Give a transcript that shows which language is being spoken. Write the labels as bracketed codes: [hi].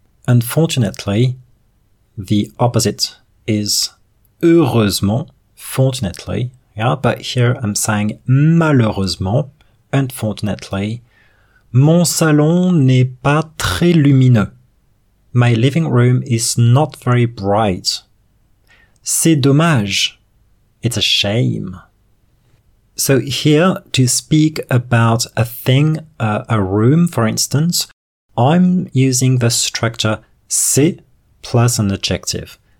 [en] unfortunately, the opposite is [fr] heureusement, [en] fortunately. Yeah, but here I'm saying malheureusement, unfortunately. [fr] Mon salon n'est pas très lumineux. [en] My living room is not very bright. [fr] C'est dommage. [en] It's a shame. So here, to speak about a thing, a room, for instance, I'm using the structure c'est plus an adjective.